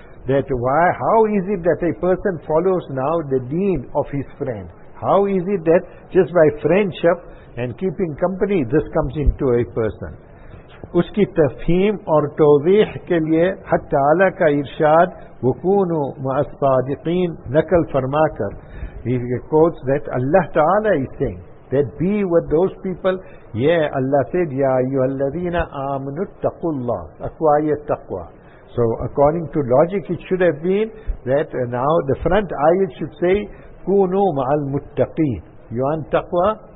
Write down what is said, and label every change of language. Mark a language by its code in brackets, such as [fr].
[en] That why, how is it that a person follows now the deen of his friend? How is it that just by friendship and keeping company, this comes into a person? [ur] اس کی تفہیم اور توضیح کے لیے حق تعالیٰ کا ارشاد [ar] وَكُونُوا مَعَ الصَّادِقِينَ [ur] نقل فرما کر. [en] He quotes that Allah Ta'ala is saying that be with those people. Yeah, Allah said [ar] يَا أَيُّهَا الَّذِينَ آمَنُوا اتَّقُوا اللَّهِ أَقْوَايَ التَّقْوَى. [en] So according to logic it should have been that now the front ayat should say [ar] كُونُوا مَعَ الْمُتَّقِينَ. [en] You want taqwa?